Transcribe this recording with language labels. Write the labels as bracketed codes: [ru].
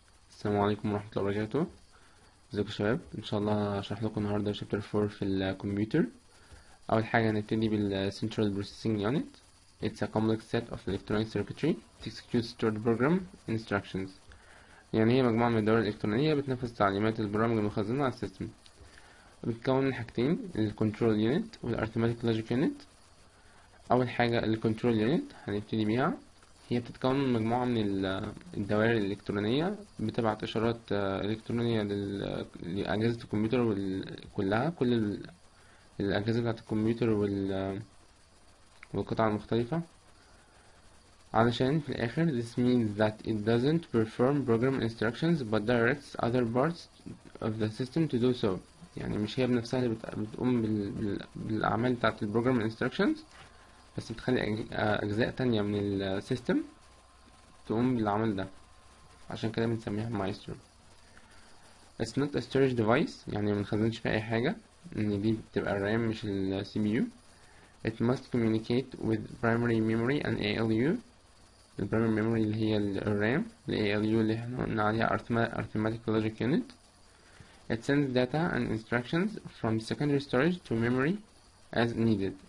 [ar] السلام عليكم ورحمة الله وبركاته، ازيكم شباب؟ ان شاء الله هشرح لكم النهاردة شابتر 4 في الكمبيوتر. اول حاجة هنبتدي بالcentral processing unit. [en] It's a complex set of electronic circuitry to execute stored program instructions. [ar] يعني هي مجموعة من الدوائر الإلكترونية بتنفذ تعليمات البرامج المخزنة على السيستم. بتتكون من حاجتين، الcontrol unit والarithmetic logic unit. اول حاجة الcontrol unit هنبتدي بيها، هي بتتكون من مجموعة من الدوائر الإلكترونية بتبعت إشارات إلكترونية لأجهزة الكمبيوتر كلها، كل الأجهزة بتاعة الكمبيوتر والقطع المختلفة، علشان في الآخر [en] this means that it doesn't perform program instructions but directs other parts of the system to do so. [ar] يعني مش هي بنفسها اللي بتقوم بالأعمال بتاعة البروجرام instructions، بس بتخلي أجزاء تانية من السيستم تقوم بالعمل ده، عشان كده بنسميها مايسترو. [en] It's not a storage device، [ar] يعني منخزنش فيها أي حاجة، إن دي بتبقى الرام مش الـ CPU. [en] It must communicate with primary memory and ALU. [ar] الـ primary memory اللي هي الرام، الـ ALU اللي احنا قلنا عليها arithmetic logic unit. [en] It sends data and instructions from secondary storage to memory as needed.